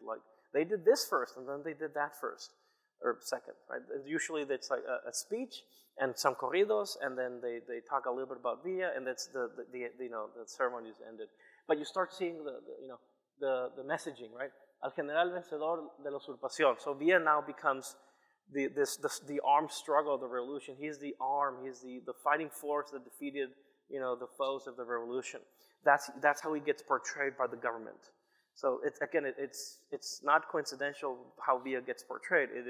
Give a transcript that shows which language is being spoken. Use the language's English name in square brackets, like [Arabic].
[English] Like, they did this first and then they did that first or second, right? Usually it's like a speech and some corridos, and then they talk a little bit about Villa, and that's the ceremony is ended. But you start seeing the messaging, right? [Spanish] Al general vencedor de la usurpación. [English] So Villa now becomes the armed struggle, the revolution. He's the arm. He's the fighting force that defeated, you know, the foes of the revolution. That's how he gets portrayed by the government. So it's not coincidental how Villa gets portrayed.